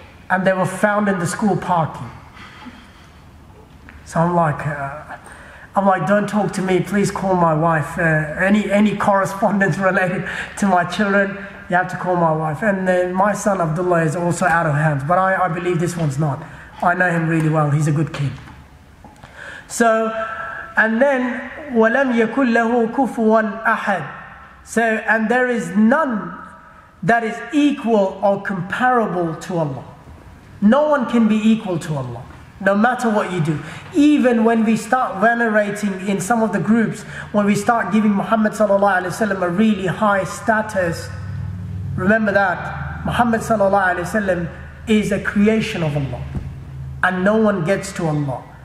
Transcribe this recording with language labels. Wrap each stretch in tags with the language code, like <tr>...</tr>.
<en>And they were found in the school parking. So I'm like, don't talk to me, please call my wife. Any correspondence related to my children, you have to call my wife. And my son Abdullah is also out of hands, but I believe this one's not. I know him really well, he's a good kid. So, and then,</en> <ar>وَلَمْ يَكُلْ لَهُ كُفُوًا أَحَدٍ.</ar> <en>So, and there is none that is equal or comparable to Allah. No one can be equal to Allah, no matter what you do. Even when we start venerating in some of the groups, when we start giving Muhammad sallallahu alaihi wasallam a really high status, remember that Muhammad sallallahu alaihi wasallam is a creation of Allah, and no one gets to Allah.</en>